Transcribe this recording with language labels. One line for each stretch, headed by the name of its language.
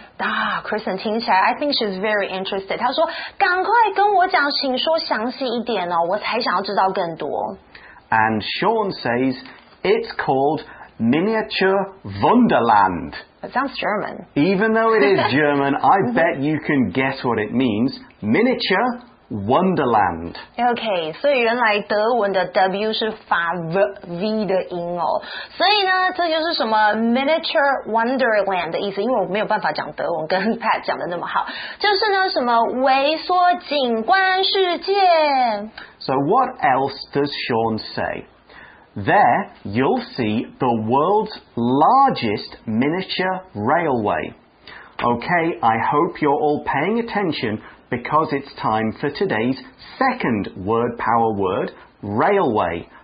English: Ah, Kristen
Chinese: 听起来
English: I think she's very interested.
Chinese: 她说赶快跟我讲，请说详细一点哦，我才想要知道更多。
English: And Sean says it's called Miniature Wunderland. That sounds German. Even though it is German, I bet you can guess what it means. Miniature Wonderland.
Chinese: OK, 所以原来德文的 W 是发 V 的音哦。所以呢，这就是什么 Miniature Wonderland 的意思，因为我没有办法讲德文跟 Pat 讲的那么好。就是呢，什么微缩景观世界。
English: So what else does Sean say? There, you'll see the world's largest miniature railway. OK, I hope you're all paying attention. Because it's time for today's second word power word, railway.